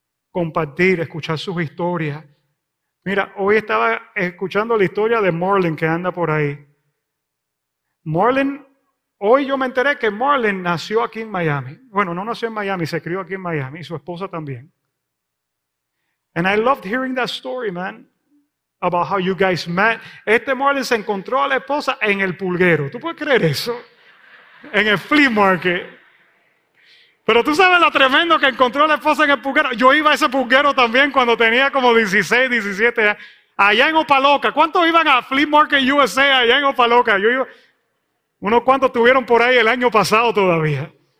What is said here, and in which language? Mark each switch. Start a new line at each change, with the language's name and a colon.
Spanish: Compartir, escuchar sus historias. Mira, hoy estaba escuchando la historia de Marlon que anda por ahí. Marlon, hoy yo me enteré que Marlon nació aquí en Miami. Bueno, no nació en Miami, se crió aquí en Miami y su esposa también.
English: And I loved hearing that story, man, about how you guys met.
Spanish: Este Marlon se encontró a la esposa en el pulguero. ¿Tú puedes creer eso? En el flea market. Pero tú sabes lo tremendo que encontró la esposa en el pulguero. Yo iba a ese pulguero también cuando tenía como 16, 17 años. Allá en Opa-Locka. ¿Cuántos iban a Flea Market USA allá en Opa-Locka? Yo iba. Unos cuantos tuvieron por ahí el año pasado todavía.